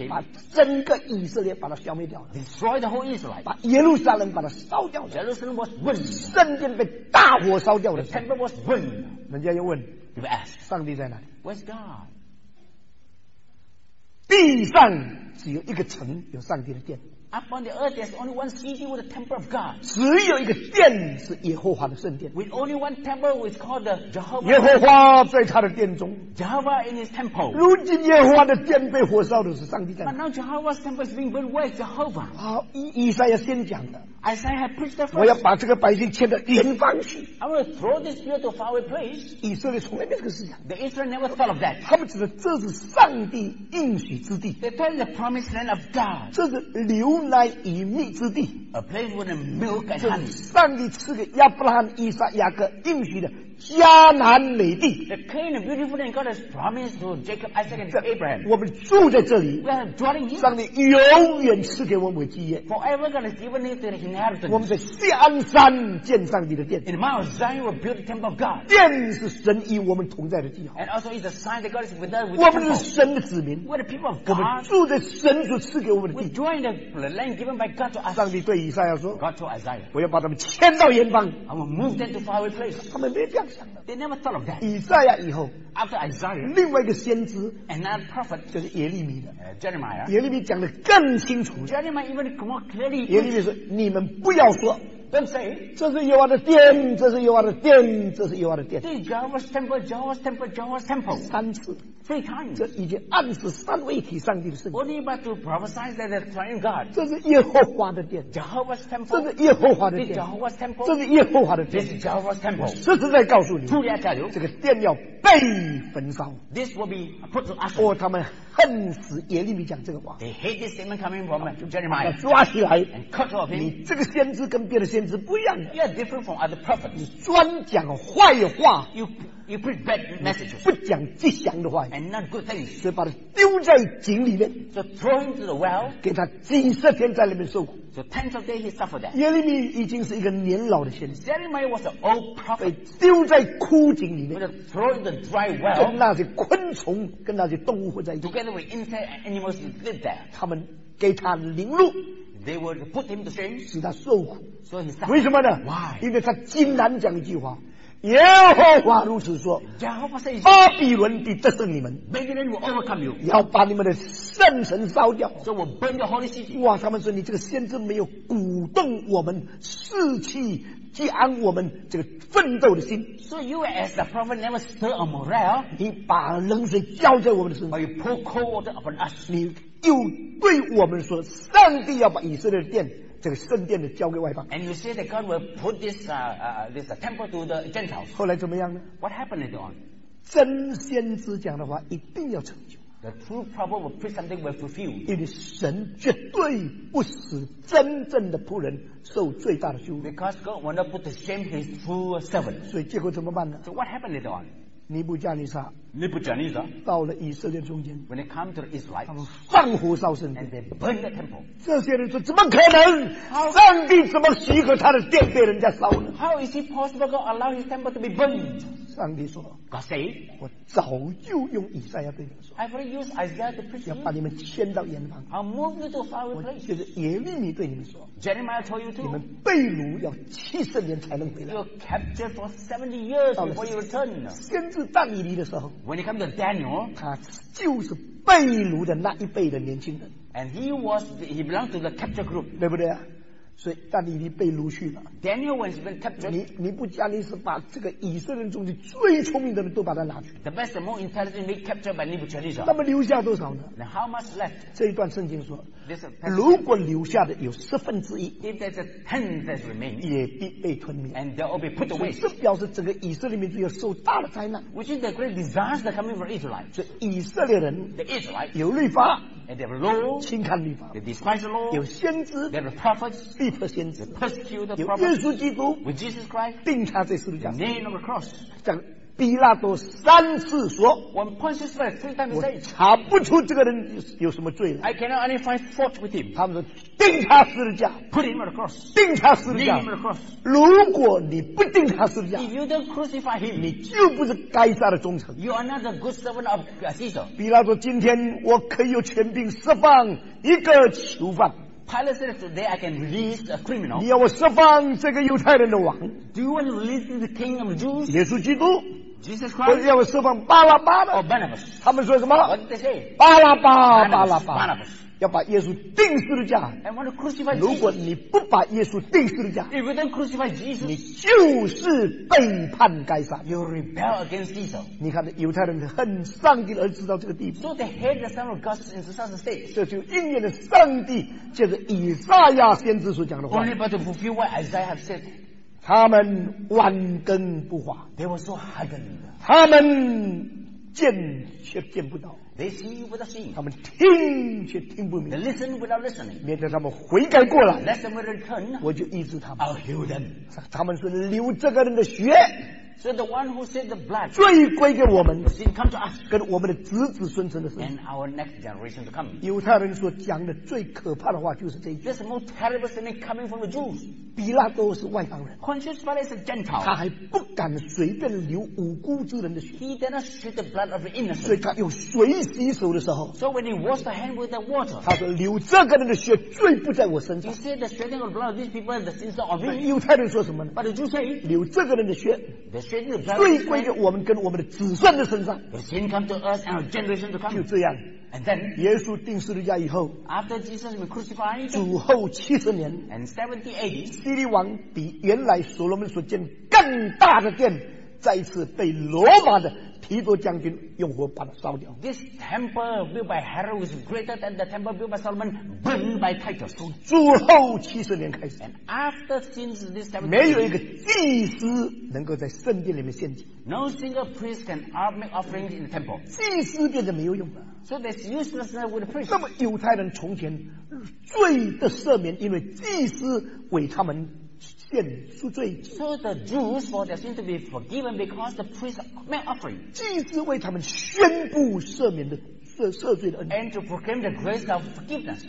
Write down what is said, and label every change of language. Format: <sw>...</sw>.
<zh>把整个以色列把它消灭掉了。</zh> <en>Destroyed the whole Israel.</en> <zh>把耶路撒冷把它烧掉了。</zh> <en>Jerusalem was burned.</en> <zh>圣殿被大火烧掉了。</zh> <en>The temple was burned.</en> <zh>人家又问</zh> <en>，You ask,</en> <zh>上帝在哪里</zh> <en>？Where's God?</en> <zh>地上只有一个城有上帝的殿。</zh> <en>Up on the earth, there's only one city with the temple of God.</en> <zh>只有一个殿是耶和华的圣殿。</zh> <en>With only one temple, which is called the Jehovah.</en> <zh>耶和华在他的殿中。</zh> <en>Jehovah in his temple.</en> <zh>如今耶和华的殿被火烧的是上帝在。</zh> <en>But now Jehovah's temple is being burned. Where is Jehovah?</en> <zh>好，以赛亚先讲的。</zh> <en>Isaiah had preached that.</en> <zh>我要把这个百姓迁到远方去。</zh> <en>I will throw this people to a faraway place.</en> <zh>以色列从来没这个思想。</zh> <en>The Israel never thought of that.</en> <zh>他们只是这是上帝应许之地。</zh> <en>They thought it's the promised land of God.</en> <zh>这是流来以蜜之地</zh> <en>a place with the milk and honey.</en> <zh>上帝赐给亚伯拉罕、以撒、雅各应许的迦南美地</zh> <en>the clean and beautiful land God has promised to Jacob, Isaac and Abraham.</en> <zh>我们住在这里</zh> <en>we are dwelling here.</en> <zh>上帝永远赐给我们基业</zh> <en>forever God has given it to the inheritance.</en> <zh>我们在锡安山建上帝的殿</zh> <en>in Mount Zion we build the temple of God.</en> <zh>殿是神与我们同在的记号</zh> <en>and also it's a sign that God is with us.</en> <zh>我们是神的子民</zh> <en>we are the people of God.</en> <zh>我们住在神所赐给我们的地</zh> <en>we join the The land given by God to us.</en> <zh>上帝对以赛亚说</zh> <en>God to Isaiah.</en> <zh>我要把他们迁到远方</zh> <en>I will move them to faraway place.</en> <zh>他们没这样想的</zh> <en>They never thought of that.</en> <zh>以赛亚以后</zh> <en>After Isaiah.</en> <zh>另外一个先知</zh> <en>Another prophet.</en> <zh>就是耶利米的</zh> <en>Jeremiah.</en> <zh>耶利米讲得更清楚</zh> <en>Jeremiah even more clearly.</en> <zh>耶利米说你们不要说</zh> <en>Don't say.</en> <zh>这是耶和华的殿这是耶和华的殿这是耶和华的殿</zh> <en>This is Jehovah's temple, Jehovah's temple, Jehovah's temple.</en> <zh>三次</zh> <en>Three times.</en> <zh>这已经暗示三位一体上帝的圣殿。</zh> <en>Only about to prophesy that the triune God.</en> <zh>这是耶和华的殿。</zh> <en>Jehovah's temple.</en> <zh>这是耶和华的殿。</zh> <en>Jehovah's temple.</en> <zh>这是耶和华的殿。</zh> <en>This is Jehovah's temple.</en> <zh>实实在告诉你。</zh> <en>Truly I tell you.</en> <zh>这个殿要被焚烧。</zh> <en>This will be put to ashes.</en> <zh>哦，他们恨死耶利米讲这个话。</zh> <en>They hate this statement coming from Jeremiah.</en> <zh>抓起来。</zh> <en>And cut off him.</en> <zh>你这个先知跟别的先知不一样的。</zh> <en>You are different from other prophets.</en> <zh>你专讲坏话。</zh> <en>You preach bad messages.</en> <zh>不讲吉祥的话。</zh> <en>And not good things.</en> <zh>所以把他丢在井里面。</zh> <en>So throw him to the well.</en> <zh>给他几十天在里面受苦。</zh> <en>So tens of days he suffered that.</en> <zh>耶利米已经是一个年老的先知。</zh> <en>Jeremiah was an old prophet.</en> <zh>被丢在枯井里面。</zh> <en>With a throw in the dry well.</en> <zh>跟那些昆虫跟那些动物混在一起。</zh> <en>Together with insects and animals live there.</en> <zh>他们给他凌辱。</zh> <en>They would put him to shame.</en> <zh>使他受苦。</zh> <en>So he suffered.</en> <zh>为什么呢</zh> <en>？Why?</en> <zh>因为他竟然讲一句话。耶和华如此说巴比伦必得胜你们要把你们的圣城烧掉、</zh> <en>so、we'll burn the holy city.</en> <zh>哇他们说你这个先知没有鼓动我们士气激昂我们这个奋斗的心</zh> <en>so you as the prophet never stir a morale,</en> <zh>你把冷水浇在我们的身</zh> <en>上 you pour cold water upon us.</en> <zh>你又对我们说上帝要把以色列的殿这个圣殿的交给外邦。</zh> <en>And you say that God will put this this temple to the Gentiles.</en> <zh>后来怎么样呢</zh> <en>？What happened later on?</en> <zh>真先知讲的话一定要成就。</zh> <en>The true prophet will preach something will fulfill.</en> <zh>因为神绝对不使真正的仆人受最大的羞辱。</zh> <en>Because God will not put to shame His true servant.</en> <zh>所以结果怎么办呢</zh> <en>？So what happened later on?</en> <zh>尼布加尼撒。</zh> <en>Nebuchadnezzar,</en> <zh>到了以色列中间</zh> <en>when they come to the Israelites,</en> <zh>他们放火烧圣殿</zh> <en>and they burn the temple.</en> <zh>这些人说怎么可能</zh> <en>how,</en> <zh>上帝怎么许可他的殿被人家烧呢</zh> <en>How is it possible God allow his temple to be burned?</en> <zh>上帝说</zh> <en>God say,</en> <zh>我早就用以赛亚对你们说</zh> <en>I've already used Isaiah to preach</en> <zh>要把你们迁到远方</zh> <en>I'll move you to a faraway place.</en> <zh>就是耶利米对你们说</zh> <en>Jeremiah told you to</en> <zh>你们被掳要七十年才能回来</zh> <en>You're captured for 70 years before you return.</en> <zh>先知但以理的时候</zh> <en>When it comes to Daniel,</en> <zh>他就是被掳的那一辈的年轻人</zh> <en>and he belonged to the capture group,</en> <zh>对不对啊？所以但以理被掳去了。</zh> <en>Daniel was been captured.</en> <zh>尼布加尼撒把这个以色列中的最聪明的人都把他拿去。</zh> <en>The best and more intelligent were captured by Nebuchadnezzar.</en> <zh>那么留下多少呢</zh> <en>Now, how much left?</en> <zh>这一段圣经说</zh> <en>This</en> <zh>如果留下的有十分之一</zh> <en>If there's a tenth that remains,</en> <zh>也必被吞灭。</zh> <en>And they'll all be put away.</en> <zh>这表示整个以色列民族要受大的灾难。</zh> <en>Which is the great disaster coming from Israel.</en> <zh>所以以色列人</zh> <en>The Israelites,</en> <zh>有律法。</zh> <en>And they have law,</en> <zh>轻看律法</zh> <en>they despise the law,</en> <zh>有先知</zh> <en>they have prophets,</en> <zh>必得先知</zh> <en>they persecute the prophets,</en> <zh>有耶稣基督</zh> <en>with Jesus Christ,</en> <zh>定他在十字架</zh> <en>the name of the cross,</en> <zh>讲比拉多三次说</zh> <en>when Pontius Pilate three times said,</en> <zh>我查不出这个人有什么罪了</zh> <en>I cannot only find fault with him,</en> <zh>他们说定他十字架</zh> <en>put him on the cross,</en> <zh>定他十字架</zh> <en>name of the cross,</en> <zh>如果你不定他十字架</zh> <en>if you don't crucify him,</en> <zh>你就不是该杀的忠臣</zh> <en>you are not a good servant of Caesar,</en> <zh>比拉多今天我可以有权柄释放一个囚犯</zh> <en>Pilate said today I can release a criminal,</en> <zh>你要我释放这个犹太人的王</zh> <en>do you want to release the king of the Jews,</en> <zh>耶稣基督</zh> <en>Jesus Christ.</en> <zh>我要我释放巴拉巴的。</zh> <en>Oh, Barnabas.</en> <zh>他们说什么</zh> <en>？What did they say?</en> <zh>巴拉巴，巴拉巴。</zh> <en>Barnabas.</en> <zh>要把耶稣钉十字架。</zh> <en>I want to crucify Jesus.</en> <zh>如果你不把耶稣钉十字架</zh> <en>，If you don't crucify Jesus,</en> <zh>你就是背叛该撒。</zh> <en>You rebel against Caesar.</en> <zh>你看，犹太人恨上帝的儿子到这个地步。</zh> <en>So they hate the Son of God in such a state.</en> <zh>这就应验了上帝借着以撒亚先知所讲的话。</zh> <en>Only but to fulfill what Isaiah have said.</en> <zh>他们顽根不化</zh> <en>They were so hardened.</en> <zh>他们见却见不到</zh> <en>They see without seeing.</en> <zh>他们听却听不明</zh> <en>They listen without listening.</en> <zh>免得他们悔改过来</zh> <en>Let them return.</en> <zh>我就医治他们</zh> <en>I'll heal them.</en> <zh>他们说流这个人的血</zh> <en>So the one who said the blood</en> <zh>罪归给我们</zh> <en>sin come to us.</en> <zh>跟我们的子子孙孙的事</zh> <en>And our next generation to come.</en> <zh>犹太人所讲的最可怕的话就是这一句</zh> <en>There's the most terrible sin coming from the Jews.</en> <zh>比拉多是外邦人</zh> <en>Pontius Pilate is a Gentile</en> <zh>他还不敢随便流无辜之人的血</zh> <en>He did not shed the blood of the innocent</en> <zh>所以他用水洗手的时候</zh> <en>So when he washed the hand with the water</en> <zh>他说流这个人的血罪不在我身上</zh> <en>He said the shedding of the blood of these people is the sins of me</en> <zh>犹太人说什么呢</zh> <en>But the Jews say</en> <zh>流这个人的血</zh> <en>The shedding of the blood</en> <zh>罪归给我们跟我们的子孙的身上</zh> <en>The sin come to us and our generation to come</en> <zh>就这样</zh> <en>And then,</en> <zh>耶稣钉十字架以后</zh> <en>After Jesus was crucified,</en> <zh>主后七十年</zh> <en>and 70 AD,</en> <zh>希律王比原来所罗门所建更大的殿再次被罗马的提多将军用火把它烧掉</zh> <en>This temple built by Herod was greater than the temple built by Solomon burned by Titus</en> <zh>从主后七十年开始</zh> <en>and after since this temple</en> <zh>没有一个祭司能够在圣殿里面献祭</zh> <en>No single priest can make offerings in the temple</en> <zh>祭司变得没有用了</zh> <en>So there's uselessness with the priest.</en> <zh>那么犹太人从前罪的赦免，因为祭司为他们献赎罪。</zh> <en>So the Jews for their sin to be forgiven because the priest made offering.</en> <zh>祭司为他们宣布赦免的赦罪的恩。</zh> <en>And to proclaim the grace of forgiveness.</en>